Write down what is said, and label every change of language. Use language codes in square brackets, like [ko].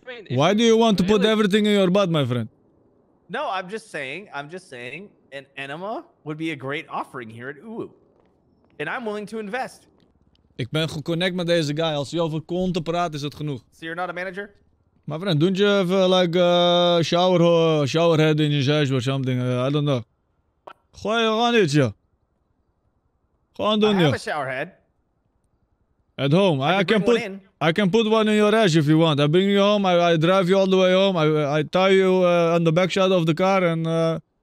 [en] Why do you want to put everything in your butt, my friend? No, I'm just saying an enema would be a great offering here at Uwu. And I'm willing to invest. [nl] Ik ben geconnect met deze guy. Als hij over konten praat, is dat genoeg. [en] So you're not a manager? My friend, don't you have shower head in your shower or something? I don't know. [nl] Gooi gewoon iets, joh. Gewoon doen, [en] joh. I have a shower head. At home. I can put one in your ass if you want. I bring you home, I drive you all the way home, I tie you on the back side of the car and...